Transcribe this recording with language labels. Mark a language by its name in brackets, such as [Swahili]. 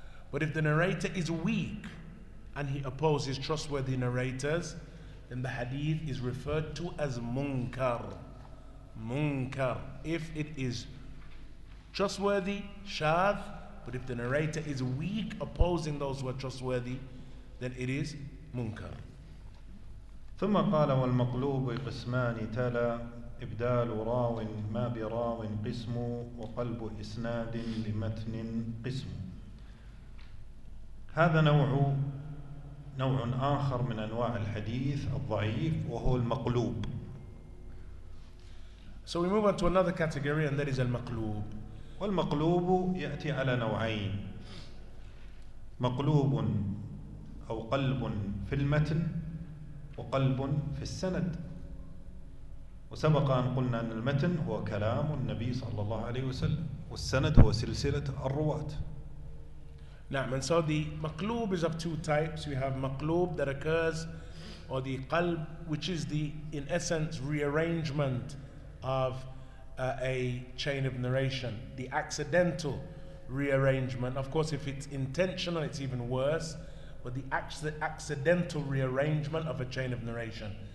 [English] But if the narrator is weak and he opposes trustworthy narrators, then the hadith is referred to as munkar. Munkar. If it is trustworthy, شاذ. But if the narrator is weak opposing those who are trustworthy, then it is munkar. [Arabic] ثم قال: والمقلوب قسمان تلا، إبدال راو ما براو قسم، وقلب إسناد لمتن قسم. هذا نوع آخر من أنواع الحديث الضعيف، وهو المقلوب. [English] So we move on to another category, and that is المقلوب. [Arabic] والمقلوب يأتي على نوعين: مقلوب أو قلب في المتن، وقلب في السند. وسبق أن قلنا أن المتن هو كلام النبي صلى الله عليه وسلم، والسند هو سلسلة الرواة. نعم. [English] And so the مقلوب is of two types. We have مقلوب that occurs, or the قلب, which is the in essence rearrangement of a chain of narration, the accidental rearrangement. Of course, if it's intentional, it's even worse. But the accidental rearrangement of a chain of narration.